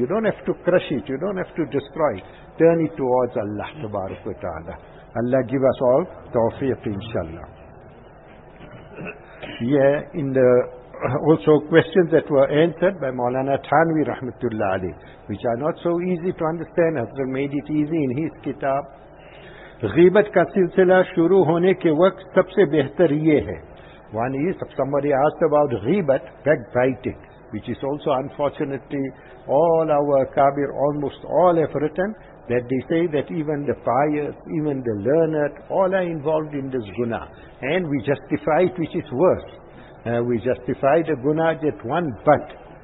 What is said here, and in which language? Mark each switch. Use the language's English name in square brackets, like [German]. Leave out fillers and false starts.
[English] You don't have to crush it. You don't have to destroy it. Turn it towards Allah Tabarak wa Ta'ala. Allah give us all tawfiq inshallah. Yeah, in the also questions that were answered by Maulana Thanvi Rahmatullah Ali, which are not so easy to understand. Hazrat made it easy in his kitab. [Urdu] غیبت کا سلسلہ شروع ہونے کے وقت سب سے بہتر یہ ہے. [English] One is, somebody asked about غیبت, backbiting, which is also unfortunately, all our kabir, almost all have written, that they say that even the pious, even the learned, all are involved in this guna. And we justify it, which is worse. We justify the guna just one but.